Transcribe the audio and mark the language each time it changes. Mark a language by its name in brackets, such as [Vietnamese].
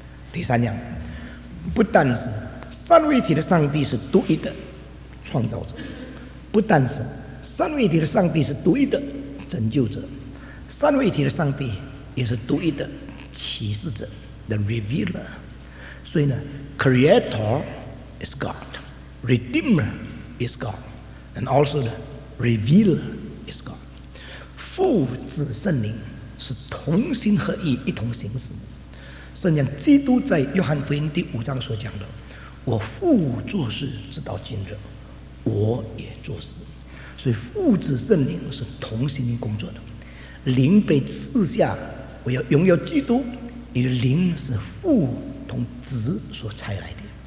[Chinese] 第三样，不但是三位一体的上帝是独一的创造者，不但是三位一体的上帝是独一的拯救者，三位一体的上帝也是独一的启示者 The Revealer。所以呢 [English] Creator is God, Redeemer is God, and also the revealer is God. [Chinese] 父子圣灵是同心合意，一同行事。圣经基督在约翰福音第五章所讲的，我父做事直到今日，我也做事。所以父子圣灵是同心工作的，灵被赐下我要拥有基督，也灵是父同子所差来的。